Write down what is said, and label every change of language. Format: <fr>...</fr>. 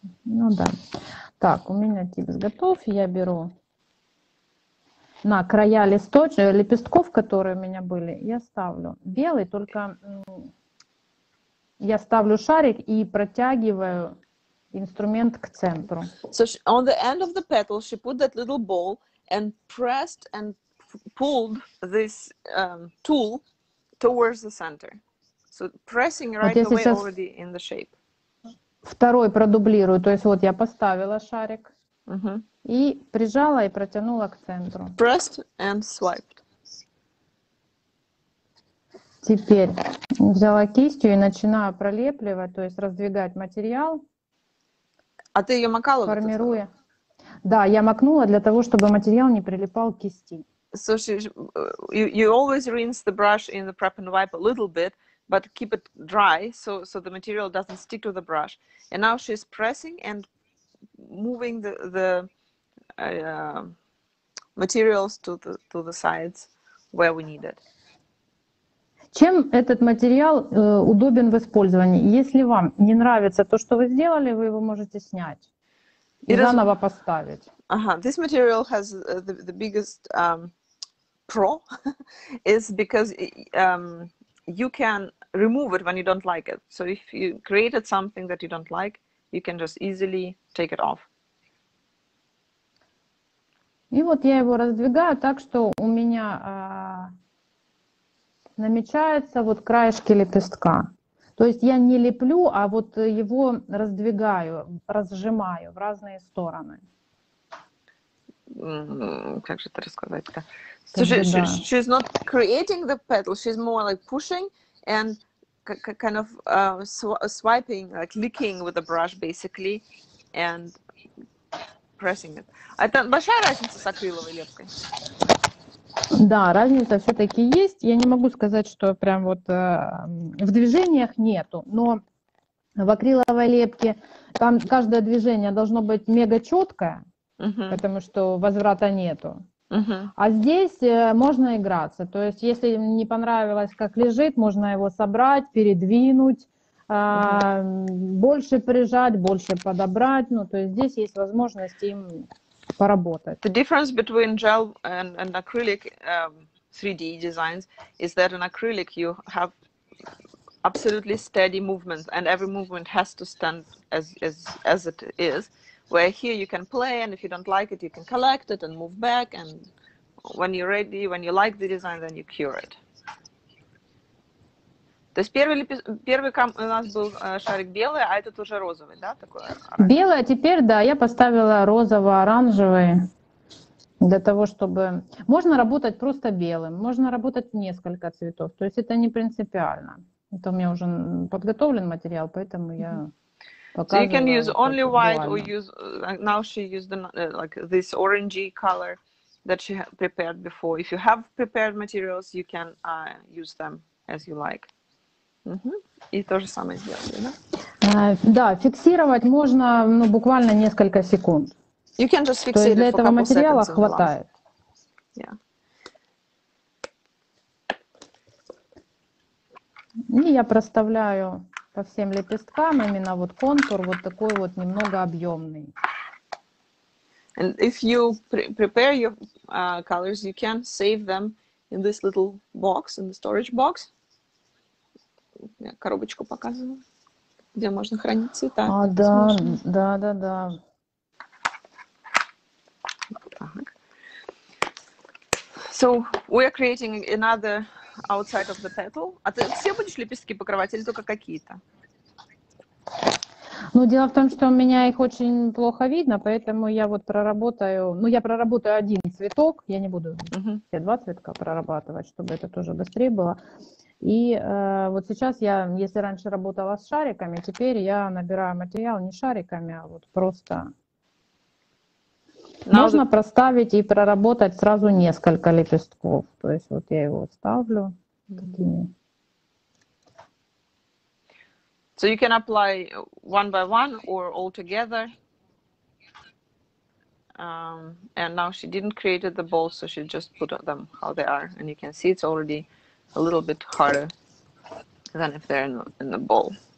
<ru>Ну да. Так, у меня типс готов. Я беру на края листочек, лепестков, которые у меня были, я ставлю белый, только я ставлю шарик и протягиваю инструмент к центру.</ru> <en>So she, on the end of the petal, she put that little ball and pressed and pulled this tool towards the center. So pressing right away</en> <ru>сейчас...</ru> <en>already in the shape.</en> <ru>Второй продублирую, то есть вот я поставила шарик и прижала и протянула к центру.</ru> <en>Pressed and swiped.</en> <ru>Теперь взяла кистью и начинаю пролепливать, то есть раздвигать материал. А ты ее макала? Формируя. Да, я макнула для того, чтобы материал не прилипал к кисти.</ru> <en>So she, you always rinse the brush in the prep and wipe a little bit. But keep it dry, so the material doesn't stick to the brush. And now she's pressing and moving the materials to the sides where we need it.</en> <ru>Чем этот материал удобен в использовании? Если вам не нравится то, что вы сделали, вы его можете снять и заново поставить.</ru> <en>This material has the biggest pro is because you can remove it when you don't like it. So if you created something that you don't like, you can just easily take it off.</en> <ru>И вот я его раздвигаю так, что у меня намечается вот краешки лепестка. То есть я не леплю, а вот его раздвигаю, разжимаю в разные стороны. Как же это рассказать-то?</ru> <en>So she's not creating the petal, she's more like pushing and kind of swiping, like licking with the brush, basically, and pressing it.</en> <ru>Это большая разница с акриловой лепкой. Да, разница все-таки есть. Я не могу сказать, что прям вот в движениях нету, но в акриловой лепке там каждое движение должно быть мега четкое, потому что возврата нету. А здесь можно играться, то есть если не понравилось, как лежит, можно его собрать, передвинуть, больше прижать, больше подобрать, ну то есть здесь есть возможность им поработать.</ru> <en>The difference between gel and acrylic 3D designs is that in acrylic you have absolutely steady movement and every movement has to stand as it is. Where here you can play, and if you don't like it, you can collect it and move back. And when you're ready, when you like the design, then you cure it.</en> <ru>То есть первый у нас был шарик белый, а этот уже розовый, да, такой. Белый, а теперь да, я поставила розово-оранжевый для того, чтобы можно работать просто белым, можно работать несколько цветов. То есть это не принципиально. Это у меня уже подготовлен материал, поэтому я.</ru> <en>So you can use only white, or use now she used like this orangey color that she had prepared before. If you have prepared materials, you can use them as you like.</en> <ru>И то же самое сделали, да? Да, фиксировать можно, ну, буквально несколько секунд.</ru> <en>You can just fix it.</en> <ru>То есть для этого материала хватает.</ru> <en>Yeah.</en> <ru>И я проставляю. По всем лепесткам именно вот контур вот такой вот немного объемный.</ru> <en>And if you prepare your colors, you can save them in this little box, in the storage box.</en> <ru>Я коробочку показываю, где можно хранить цвета. А, возможно. Да, да, да, да.</ru> <en>So we are creating another outside of the petal.</en> <ru>А ты все будешь лепестки покрывать или только какие-то? Ну, дело в том, что у меня их очень плохо видно, поэтому я вот проработаю, ну, я проработаю один цветок, я не буду все два цветка прорабатывать, чтобы это тоже быстрее было. И вот сейчас я, если раньше работала с шариками, теперь я набираю материал не шариками, а вот просто... Можно проставить и проработать сразу несколько лепестков. То есть вот я его ставлю такими.</ru> <en>So you can apply one by one or all together. And now she didn't create the balls, so she just put them how they are. And you can see it's already a little bit harder than if they're in the ball.</en>